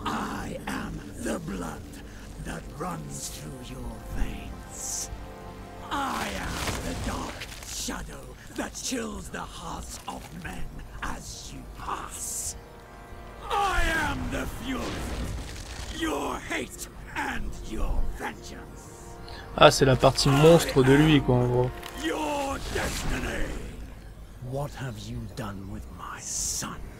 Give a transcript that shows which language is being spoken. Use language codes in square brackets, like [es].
[en] I am the blood that runs through your veins. I am the dark shadow that chills the hearts of men as you pass. I am the fury, your hate and your vengeance. [fr] Ah, c'est la partie monstre de lui, quoi, en gros. [en] Your destiny. What have you done with my son?